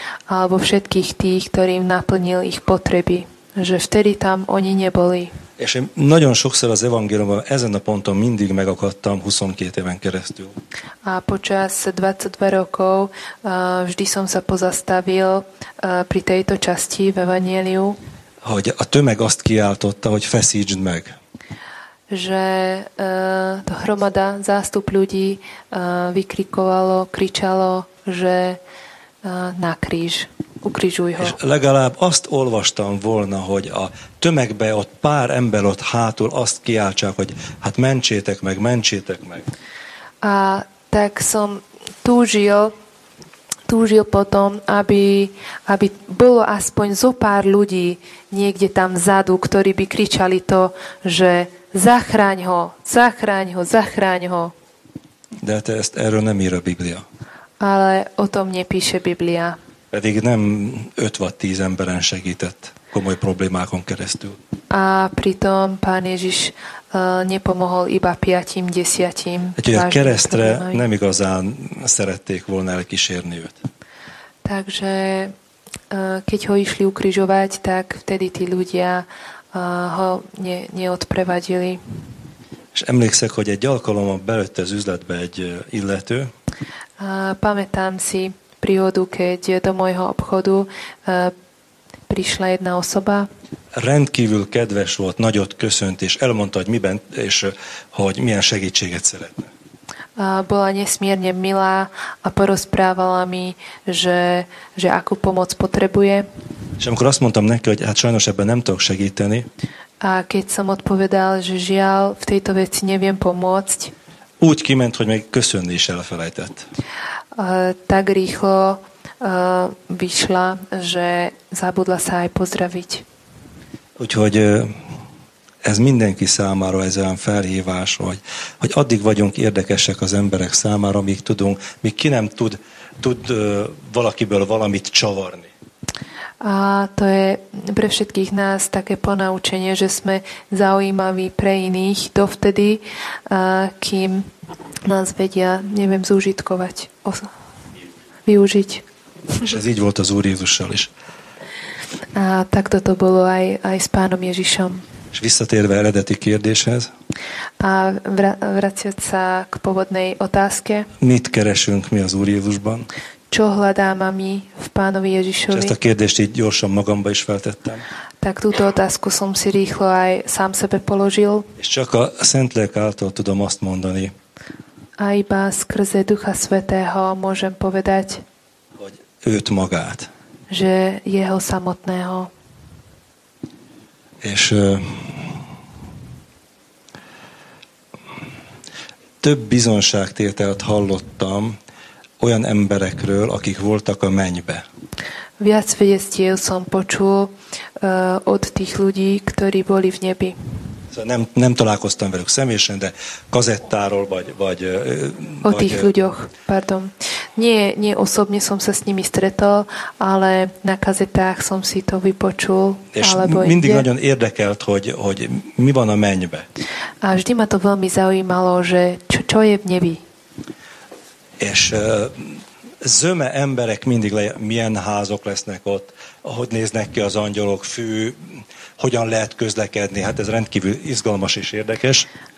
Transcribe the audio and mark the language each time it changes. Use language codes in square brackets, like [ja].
[sk] Alebo všetkých tých, ktorým naplnil ich potreby, že vtedy tam oni neboli. [hu] És én nagyon sokszor az evangéliumban ezen a ponton mindig megakadtam 22 éven keresztül. [sk] A počas 22 rokov vždy som sa pozastavil pri tejto časti v evanjeliu. [hu] Hogy a tömeg azt kiáltotta, hogy feszítsd meg. [sk] Že to hromada, zástup ľudí vykrikovalo, kričalo, že na kríž. Ukrižuj ho. [hu] És legalább azt olvastam volna, hogy a tömegbe ott pár ember ott hátul azt kiáltsák, hogy hát mentsétek meg, mentsétek meg. [sk] A tak som túžil potom, aby bolo aspoň zo pár ľudí niekde tam vzadu, ktorí by kričali to, že zachráň ho, zachráň ho, zachráň ho. [hu] De te ezt erről nem ír a Biblia. [sk] Ale o tom nepíše Biblia. [hu] Pedig nem 5 vagy 10 emberen segített komoly problémákon keresztül. [sk] A pritom pán Ježiš nepomohol iba 5-tím, 10-tím. [hu] Úgyhogy a keresztre nem igazán szerették volna elkísérni őt. [sk] Takže keď ho išli ukrižovať, tak vtedy tí ľudia ho neodprevadili. [hu] És emlékszek, hogy egy alkalommal belőtt az üzletbe egy illető. [sk] Pamätám si príhodu, keď do môjho obchodu prišla jedna osoba. [hu] Rendkívül kedves volt, nagyot köszönt, és elmondta, hogy miben, és hogy milyen segítséget szeretne. [sk] Bola nesmierne milá a porozprávala mi, že akú pomoc potrebuje. [hu] És amikor azt mondtam neki, hogy hát sajnos ebben nem tudok segíteni. [sk] A keď som odpovedal, že žiaľ, v tejto veci neviem pomôcť. [hu] Úgy kiment, hogy még köszönni is elfelejtett. [sk] Tak rýchlo vyšla, že zabudla sa aj pozdraviť. [hu] Úgyhogy ez mindenki számára ez olyan felhívás, hogy addig vagyunk érdekesek az emberek számára, míg tudunk, míg ki nem tud valakiből valamit csavarni. [sk] A to je pre všetkých nás také ponaučenie, že sme zaujímaví pre iných dovtedy, kým nás vedia, neviem, zúžitkovať, využiť. [hu] És ez így volt az Úr Jézussal is. [sk] A tak toto bolo aj s pánom Ježišom. [hu] És visszatérve eredeti kérdéshez. [sk] A vraciať sa k pôvodnej otázke. [hu] Mit keresünk mi az Úr Jézusban? [sk] Čo hľadáme my v pánovi Ježišovi? [hu] És ezt a kérdést így gyorsan magamba is feltettem. [sk] Tak túto otázku som si rýchlo aj sám sebe položil. [hu] És csak a Szentlélek által tudom azt mondani. [sk] A iba skrze Ducha Svätého môžem povedať. [hu] Hogy őt magát. [sk] Že jeho samotného. [hu] És több bizonságtételt hallottam olyan emberekről, akik voltak a mennybe. [sk] Viac svedectiev som počul od tých ľudí, ktorí boli v nebi. [hu] Szóval nem találkoztam velük személyesen, de kazettáról vagy [sk] o tých ľuďoch, pardon. Nie osobne som sa s nimi stretol, ale na kazetách som si to vypočul. [hu] És [sk] alebo [hu] mindig nagyon érdekelt, hogy mi van a mennybe. [sk] A vždy ma to veľmi zaujímalo, že čo je v nebi. [hu] És zöme emberek mindig milyen házok lesznek ott, ahogy néznek ki az angyolok, fű, hogyan lehet közlekedni, hát ez rendkívül izgalmas és érdekes.